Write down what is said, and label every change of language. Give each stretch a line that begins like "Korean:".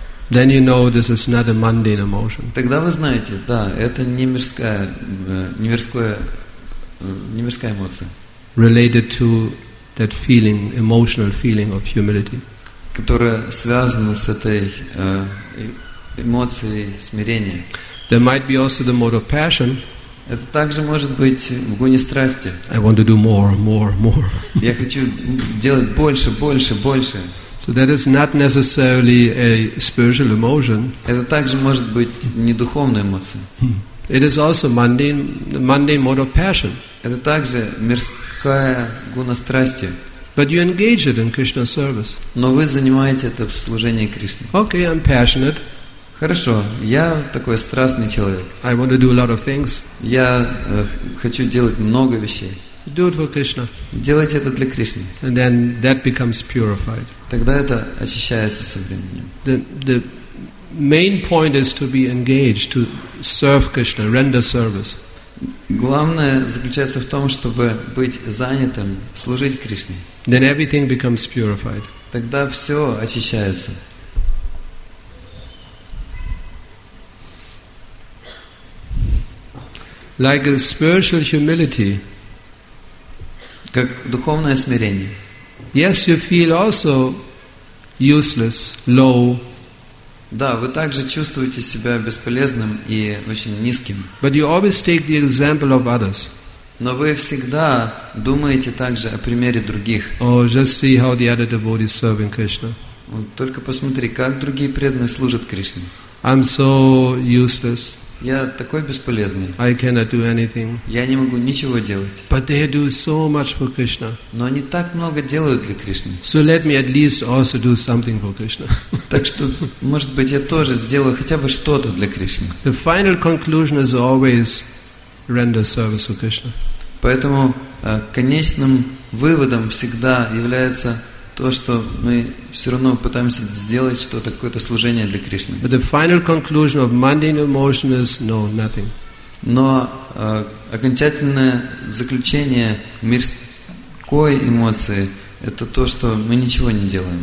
English: Then you know this is not a mundane emotion.
Russian: Тогда вы знаете, да, это не мирская, не мирская эмоция.
English: Related to that feeling, emotional feeling of humility.
Russian: Которая связана с этой эмоцией смирения.
English: There might be also the mode of passion.
Russian: Это также может быть в гоне страсти.
English: I want to do more, more, more.
Russian: Я хочу делать больше, больше, больше.
English: So that is not necessarily a spiritual emotion.
Russian: Это также может быть не духовная эмоция.
English: It is also mundane mode of passion.
Russian: Это также мирская гуна страсти.
English: But you engage it in Krishna service.
Russian: Но вы занимаете это в служении Кришне.
English: Okay, I'm passionate.
Russian: Хорошо, я такой страстный человек.
English: I want to do a lot of things.
Russian: Я хочу делать много вещей.
English: Do it for Krishna.
Russian: Делайте это для Кришны.
English: And then that becomes purified.
Russian: Тогда это очищается со временем.
English: The main point is to be engaged, to serve Krishna, render service.
Russian: Главное заключается в том, чтобы быть занятым, служить Кришне.
English: Then everything becomes purified.
Russian: Тогда все очищается.
English: Like a spiritual humility.
Russian: Как духовное смирение.
English: Yes, you feel also useless, low.
Russian: Да, вы также чувствуете себя бесполезным и очень низким.
English: But you always take the example of others.
Russian: Но вы всегда думаете также о примере других.
English: Oh, just see how the other devotees serving Krishna.
Russian: Вот только посмотри, как другие преданные служат Кришне.
English: I'm so useless.
Russian: Я такой бесполезный.
English: I cannot do anything.
Russian: Я не могу ничего делать.
English: But they do so much for Krishna.
Russian: Но они так много делают для Кришны.
English: So let me at least also do something for Krishna.
Russian: Так что, может быть, я тоже сделаю хотя бы что-то для Кришны.
English: The final conclusion is always render service to Krishna.
Russian: Поэтому конечным выводом всегда является то, что мы все равно пытаемся сделать что-то, какое-то служение для Кришны.
English: But the final conclusion of mundane emotion is no, nothing.
Russian: Но окончательное заключение мирской эмоции – это то, что мы ничего не делаем.